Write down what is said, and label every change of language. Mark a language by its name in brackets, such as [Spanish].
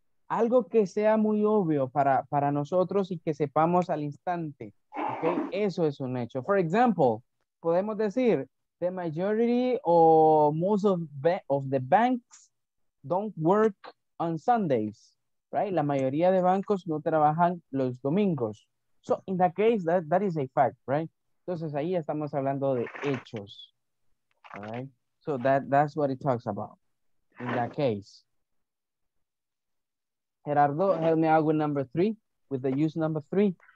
[Spanish] Algo que sea muy obvio para nosotros y que sepamos al instante, okay? Eso es un hecho. [English] For example, [Spanish] podemos decir, [English] the majority or most of the banks don't work on Sundays, right? [Spanish] La mayoría de bancos no trabajan los domingos. [English] So in that case, that is a fact, right? [Spanish] Entonces ahí estamos hablando de hechos, all right? [English] So that's what it talks about in that case. Gerardo, help me out with number three, with the use number three.